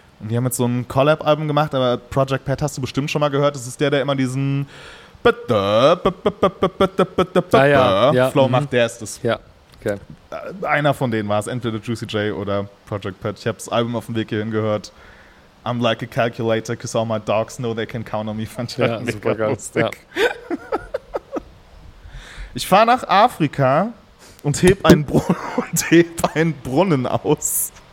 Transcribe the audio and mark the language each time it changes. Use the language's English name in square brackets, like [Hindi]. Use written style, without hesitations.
[German] Und die haben jetzt so ein Collab-Album gemacht, aber Project Pat hast du bestimmt schon mal gehört. Das ist der, der immer diesen Flow macht, der ist es. Ja. Okay. Einer von denen war es, entweder Juicy J oder Project Pat. Ich habe das Album auf dem Weg hierhin gehört. [English] I'm like a calculator, because all my dogs know they can count on me. [German] Fand ich ja, halt super geil. Ja. Ich fahre nach Afrika und heb einen Brunnen aus.